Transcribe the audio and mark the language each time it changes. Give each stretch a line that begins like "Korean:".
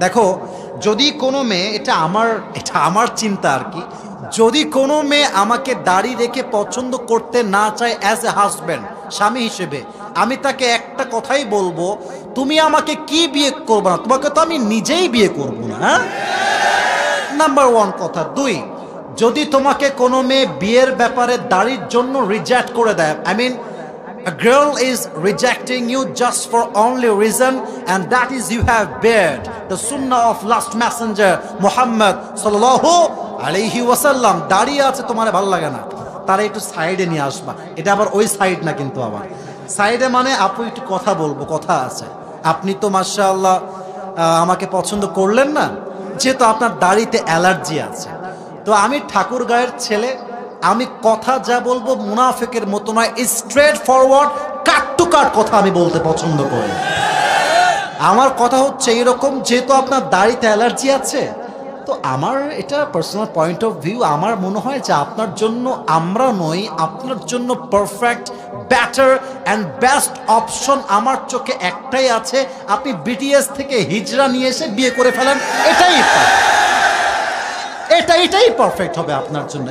Bangla: দেখো, যদি কোনো মেয়ে, এটা আমার চিন্তা আর কি, যদি কোনো মেয়ে আমাকে দাড়ি রেখে পছন্দ করতে না চায় অ্যাজ এ হাজব্যান্ড, স্বামী হিসেবে, আমি তাকে একটা কথাই বলবো, তুমি আমাকে কি বিয়ে করবা না, তোমাকে তো আমি নিজেই বিয়ে করবো না। নাম্বার ওয়ান কথা। দুই, যদি তোমাকে কোনো মেয়ে বিয়ের ব্যাপারে দাড়ির জন্য রিজেক্ট করে দেয়, I mean
English: a girl is rejecting you just for only reason, and that is you have beard, the sunnah of last messenger Muhammad sallallahu alaihi wasallam,
Bangla: dari ache tomare bhal lage na, tare ektu side e ni ashba, eta abar oi side na kintu, abar side e mane apu ektu kotha bolbo, kotha ache, apni to mashallah amake pochondo korlen na, je to apnar darite allergy ache, to ami thakur gayer chele, আমি কথা যা বলবো মুনাফেকের মতো নয়, straight forward কাট two কাট কথা আমি বলতে পছন্দ করি। আমার কথা হচ্ছে এরকম, যেহেতু আপনার দাড়িতে অ্যালার্জি আছে, তো আমার এটা পার্সোনাল পয়েন্ট অফ ভিউ, আমার মনে হয় যে আপনার জন্য আমরা নই, আপনার জন্য perfect batter and best option আমার চোখে একটাই আছে, আপনি বিটিএস থেকে হিজরা নিয়ে এসে বিয়ে করে ফেলেন, এটাই এটাই পারফেক্ট হবে আপনার জন্য।